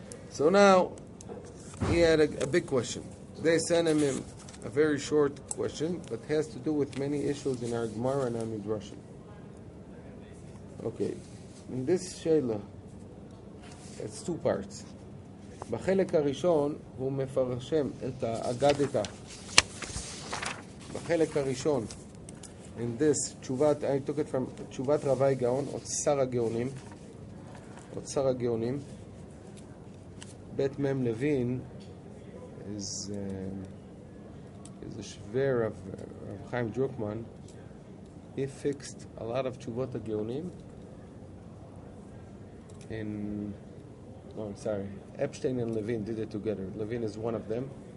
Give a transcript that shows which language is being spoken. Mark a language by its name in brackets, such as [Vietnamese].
[English] So now, he had a big question. They sent him a very short question, but has to do with many issues in our Gemara and our Midrashim. Okay, in this Shaila, it's two parts. [Hebrew] בחלק הראשון הוא מפרשם את האגדתה. בחלק הראשון, [English] in this, [Hebrew] תשובת, [English] I took it from [Hebrew] תשובת רבי גאון, אוצר הגאונים, אוצר הגאונים. [English] בית מם לוין is a shver of Chaim Drukman. He fixed a lot of תשובות הגאונים in, no, I'm sorry, Epstein and Levine did it together. Levine is one of them.